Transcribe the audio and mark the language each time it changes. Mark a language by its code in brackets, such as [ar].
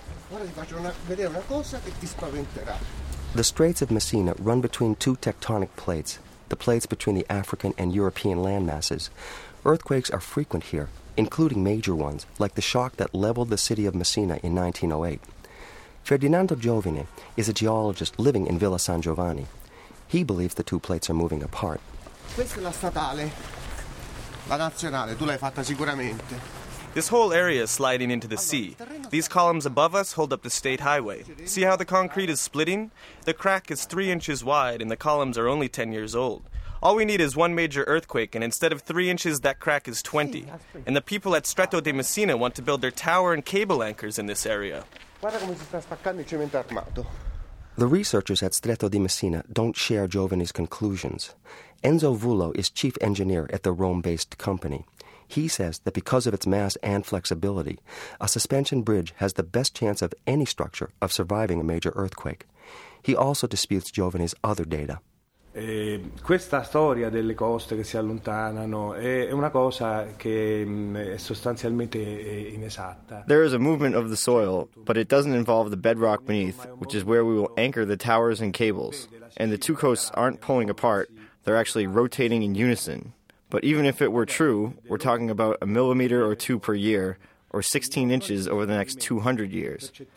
[en] The Straits of Messina run between two tectonic plates, the plates between the African and European landmasses. Earthquakes are frequent here, including major ones, like the shock that leveled the city of Messina in 1908. Ferdinando Giovine is a geologist living in Villa San Giovanni. He believes the two plates are moving apart. [it] Questa è la statale, la nazionale, tu l'hai fatta sicuramente. [en] This whole area is sliding into the sea. These columns above us hold up the state highway. See how the concrete is splitting? The crack is 3 inches wide and the columns are only 10 years old. All we need is one major earthquake, and instead of 3 inches, that crack is 20. And the people at Stretto di Messina want to build their tower and cable anchors in this area. The researchers at Stretto di Messina don't share Giovanni's conclusions. Enzo Vullo is chief engineer at the Rome-based company. He says that because of its mass and flexibility, a suspension bridge has the best chance of any structure of surviving a major earthquake. He also disputes Giovanni's other data. [it] Questa storia delle coste che si allontanano è una cosa che è sostanzialmente inesatta. [en] There is a movement of the soil, but it doesn't involve the bedrock beneath, which is where we will anchor the towers and cables. And the two coasts aren't pulling apart. They're actually rotating in unison. But even if it were true, we're talking about a millimeter or two per year, or 16 inches over the next 200 years.